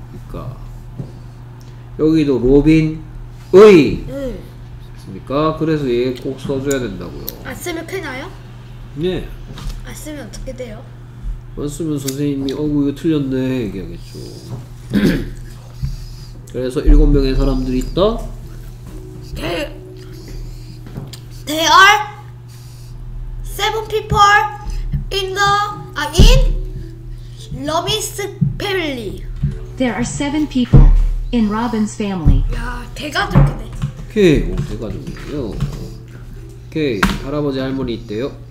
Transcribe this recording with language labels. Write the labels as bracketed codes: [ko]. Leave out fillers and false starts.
[ko] 그러니까 여기도 로빈의 그렇습니까? 그래서 얘 꼭 써줘야 된다고요. 안 쓰면 되나요? 네. 안 쓰면 어떻게 돼요? 안 쓰면 선생님이 어구 이거 틀렸네 얘기하겠죠. 그래서 일곱 명의 사람들이 있다? [en] They are seven people in the, in Robin's family. They There are seven people in Robin's family. [ko] 야, 대가족이네. 오케이, 오, 대가족이에요. 오케이, 할아버지 할머니 있대요.